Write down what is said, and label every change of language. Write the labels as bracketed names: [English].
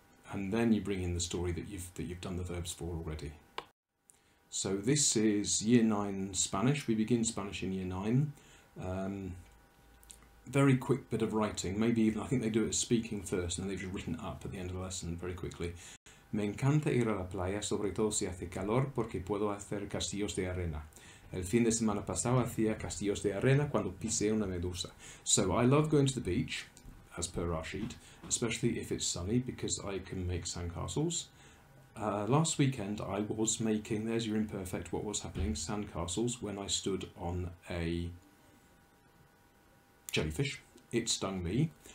[English] And then you bring in the story that you've done the verbs for already. So this is year 9 Spanish. We begin Spanish in year 9. Very quick bit of writing. Maybe even, I think they do it as speaking first, and then they've just written up at the end of the lesson very quickly. [Spanish] Me encanta ir a la playa, sobre todo si hace calor, porque puedo hacer castillos de arena. El fin de semana pasado hacía castillos de arena cuando pisé una medusa. [English] So I love going to the beach, as per our sheet, especially if it's sunny, because I can make sandcastles. Last weekend I was making, there's your imperfect, what was happening, sandcastles, when I stood on a jellyfish. It stung me.